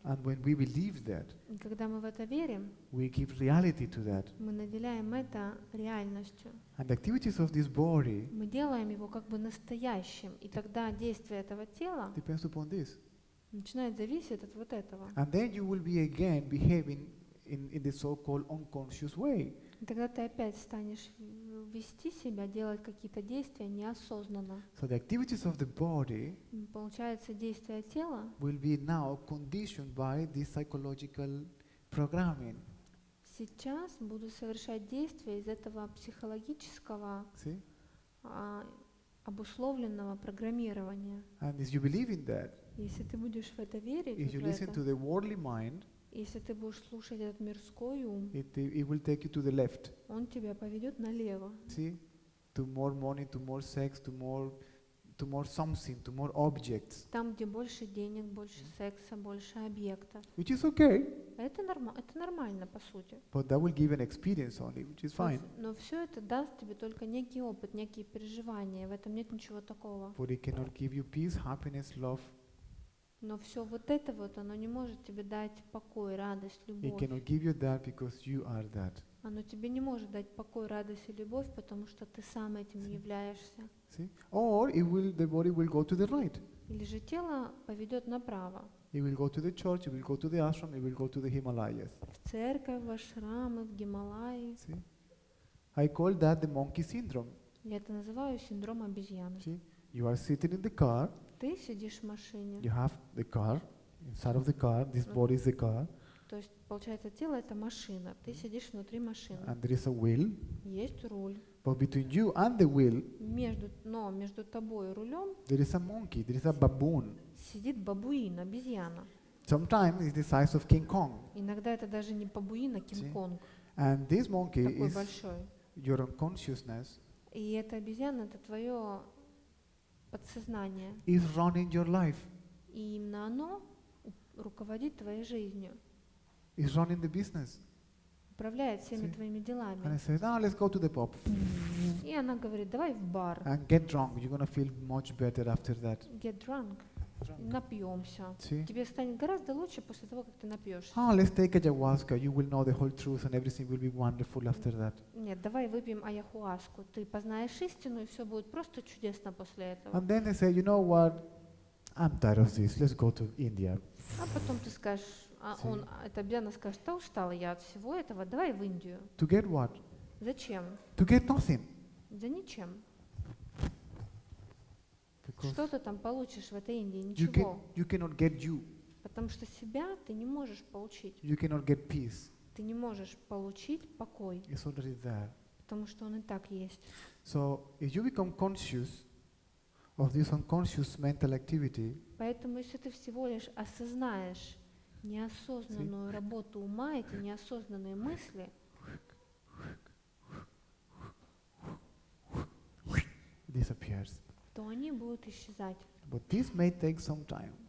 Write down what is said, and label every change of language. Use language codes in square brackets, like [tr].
[en] And when we believe that, [ru] и когда мы в это верим, [en] we give reality to that. [ru] Мы наделяем это реальностью. [en] And activities of this body, [ru] мы делаем его как бы настоящим. И тогда действие этого тела [en] depends upon this. [ru] Начинает зависеть от вот этого. [en] And then you will be again behaving in the so-called unconscious way. [ru] И тогда ты опять станешь вести себя, делать какие-то действия неосознанно. [en] So the activities of the body, [ru] получается, действия тела [en] will be now conditioned by this psychological programming. [ru] Сейчас буду совершать действия из этого психологического обусловленного программирования. [en] And if you believe in that, [ru] если ты будешь в это верить, [en] if you listen to the worldly mind, [ru] если ты будешь слушать этот мирской ум, [en] it will take you to the left. [ru] Он тебя поведет налево. [en] See? To more money, to more sex, to more something, to more objects. [ru] Там, где больше денег, больше секса, больше объектов. [en] Which is okay. [ru] Это нормально, по сути. [en] But that will give an experience only, which is fine. [ru] Но все это даст тебе только некий опыт, некие переживания. В этом нет ничего такого. [en] But it cannot give you peace, happiness, love. [ru] Но все вот это вот, оно не может тебе дать покой, радость, любовь. [en] It cannot give you that because you are that. [ru] Оно тебе не может дать покой, радость и любовь, потому что ты сам этим [en] See? [ru] Являешься. [en] See? Or it will, the body will go to the right. [ru] Или же тело поведет направо. [en] It will go to the church, it will go to the ashram, it will go to the Himalayas. [ru] В церковь, в ашрамы, в Гималаи. [en] See? I call that the monkey syndrome. [ru] Я это называю синдром обезьяны. [en] See? You are sitting in the car. [ru] Ты сидишь в машине. [en] You have the car, inside of the car, this body is the car. [ru] То есть, получается, тело — это машина. Ты сидишь внутри машины. [en] And there is a wheel. [ru] Есть руль. [en] But between you and the wheel, [ru] между тобой и рулем, [en] there is a monkey, there is a baboon. [ru] Сидит бабуин, обезьяна. [en] Sometimes it's the size of King Kong. [ru] Иногда это даже не бабуин, а Кинг-Конг. [en] And this monkey [ru] такой [en] is [ru] большой. [en] Your unconsciousness. [ru] И эта обезьяна — это твое подсознание. [en] Is running your life. [ru] И именно оно руководит твоей жизнью. [en] Is running the business. [ru] Управляет всеми [en] See? [ru] Твоими делами. [en] And I say, no, let's go to the pub. [ru] И она говорит, давай в бар. [en] And get drunk. You're gonna feel much better after that. Get drunk. [ru] Напьемся. [en] See? [ru] Тебе станет гораздо лучше после того, как ты напьешься. [en] Oh, let's take ayahuasca. You will know the whole truth and everything will be wonderful after that. [ru] Нет, давай выпьем аяхуаску. Ты познаешь истину, и все будет просто чудесно после этого. [en] And then they say, you know what? I'm tired of this. Let's go to India. [ru] А потом ты скажешь, а он, это обезьяна скажет, да устала я от всего этого, давай в Индию. [en] To get what? [ru] Зачем? [en] To get nothing. [ru] За ничем. Что ты там получишь в этой Индии? Ничего. [en] You cannot get you. [ru] Потому что себя ты не можешь получить. [en] You cannot get peace. [ru] ты не можешь получить покой. [en] It's already there. [ru] Потому что он и так есть. [en] So if you become conscious of this unconscious mental activity, [ru] поэтому если ты всего лишь осознаешь неосознанную работу ума, эти неосознанные мысли, [en] disappears. [ru] То они будут исчезать. [en] But this may take some time.